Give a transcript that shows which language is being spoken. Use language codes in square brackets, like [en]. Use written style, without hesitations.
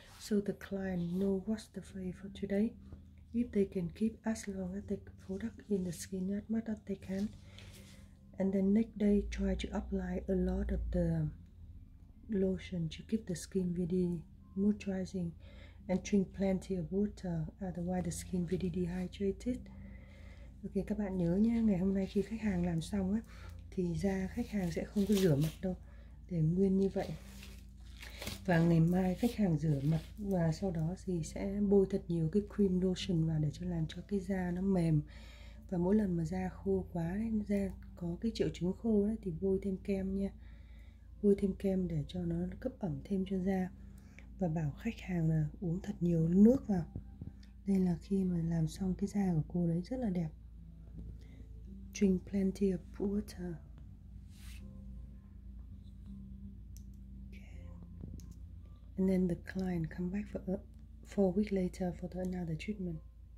[en] So the client know what's the flavor today. If they can keep as long as the product in the skin as much as they can. And then next day, try to apply a lot of the lotion to keep the skin really moisturizing and drink plenty of water, otherwise the skin really dehydrated. [vi] Okay, các bạn nhớ nha, ngày hôm nay khi khách hàng làm xong á thì da khách hàng sẽ không có rửa mặt đâu, để nguyên như vậy. Và ngày mai khách hàng rửa mặt và sau đó thì sẽ bôi thật nhiều cái cream lotion vào để cho làm cho cái da nó mềm. Và mỗi lần mà da khô quá, da có cái triệu chứng khô ấy, thì bôi thêm kem nha. Bôi thêm kem để cho nó cấp ẩm thêm cho da. Và bảo khách hàng là uống thật nhiều nước vào. Đây là khi mà làm xong cái da của cô đấy rất là đẹp. [en] Drink plenty of water. Okay. And then the client come back for 4 weeks later for another treatment.